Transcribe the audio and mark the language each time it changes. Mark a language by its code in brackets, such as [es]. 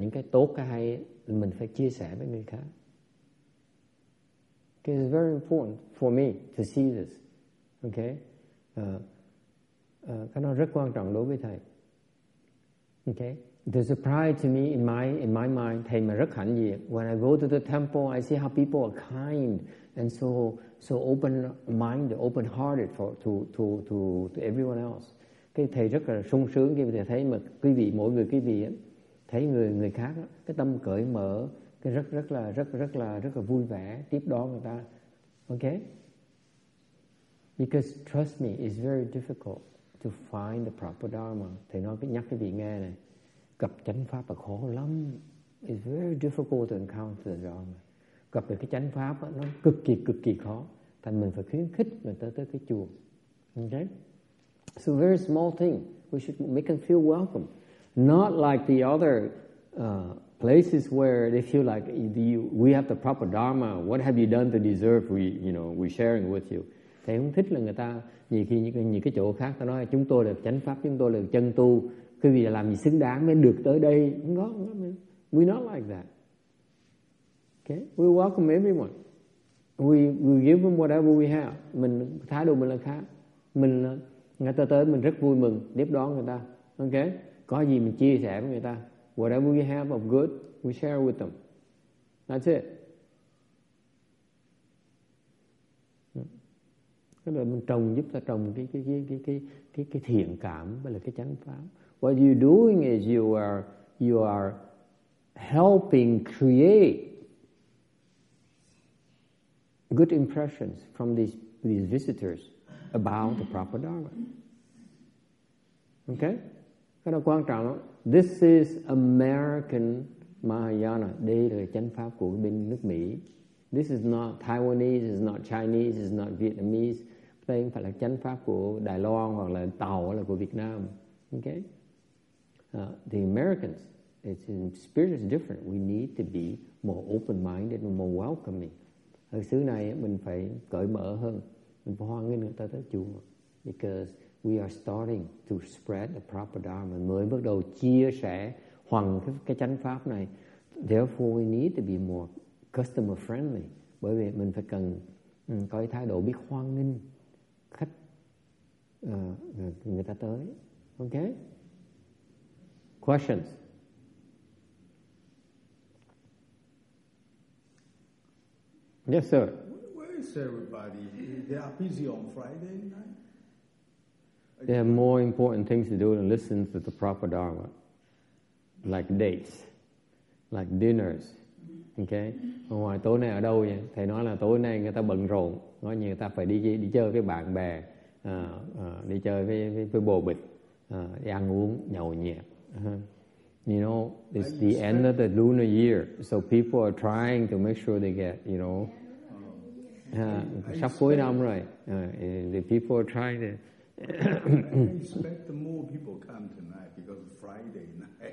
[vi] Những cái tốt cái hay mình phải chia sẻ với người khác. [en] Okay, it's very important for me to see this. [vi] Okay, cái nó rất quan trọng đối với thầy. [en] Okay, the surprise to me in my mind, [vi] thầy mà rất hạnh diện. [en] When I go to the temple, I see how people are kind and so open-minded, open-hearted to everyone else. [vi] Cái thầy rất là sung sướng khi thầy thấy mà quý vị, mỗi người quý vị ấy, thấy người khác ấy, cái tâm cởi mở, cái rất là vui vẻ tiếp đón người ta. [en] Okay? Because trust me, it's very difficult to find the proper dharma. [vi] Thầy nói nhắc cái vị nghe này, gặp chánh pháp là khó lắm. [en] It's very difficult to encounter the dharma. [vi] Gặp được cái chánh pháp ấy, nó cực kỳ khó. Thành mình phải khuyến khích người ta tới cái chùa. [en] Okay? So very small thing. We should make them feel welcome. Not like the other places where they feel like we have the proper dharma. What have you done to deserve we sharing with you? [vi] Thầy không thích là người ta nhiều khi những cái chỗ khác ta nói chúng tôi là chánh pháp, chúng tôi là chân tu. Quý vị làm gì xứng đáng mới được tới đây. Không có. [en] We're not like that. Okay? We welcome everyone. We give them whatever we have. [vi] Mình thái độ mình là khác. Mình là người ta tới mình rất vui mừng tiếp đón người ta. Okay? Có gì mình chia sẻ với người ta. [en] Whatever we have of good, we share with them. That's it. [vi] Cái là mình trồng, giúp ta trồng cái thiện cảm và là cái chánh pháp. [en] What you're doing is you are helping create good impressions from these visitors about the proper dharma. Okay? [vi] Cái đó quan trọng lắm. [en] This is American Mahayana. [vi] Đây là chánh pháp của bên nước Mỹ. [en] This is not Taiwanese, it's not Chinese, it's not Vietnamese. [vi] Đây không phải là chánh pháp của Đài Loan hoặc là Tàu hoặc là của Việt Nam. [en] Okay? The Americans, it's in spirit is different. We need to be more open-minded and more welcoming. [vi] Ở xứ này mình phải cởi mở hơn. Mình phải hoan nghênh người ta tới chùa. [en] Because we are starting to spread the proper dharma. [vi] Mình mới bắt đầu chia sẻ hoằng cái chánh pháp này. [en] Therefore, we need to be more customer-friendly. [vi] Bởi vì mình phải cần có cái thái độ biết hoan nghênh khách người ta tới. [en] Okay? Questions? Yes, sir. Where is everybody? They are busy on Friday night. They have more important things to do than listen to the proper dharma, like dates, like dinners. [vi] Okay. Ngoài tối nay ở đâu vậy? Thầy nói là tối nay người ta bận rộn, nói như người ta phải đi chơi với bạn bè, đi chơi với bồ bịch, đi ăn uống nhậu nhẹt. [en] You know, it's the end of the lunar year, so people are trying to make sure they get, you know, [vi] sắp cuối năm rồi. [en] The people are trying to. I expect the more people come tonight because it's Friday night.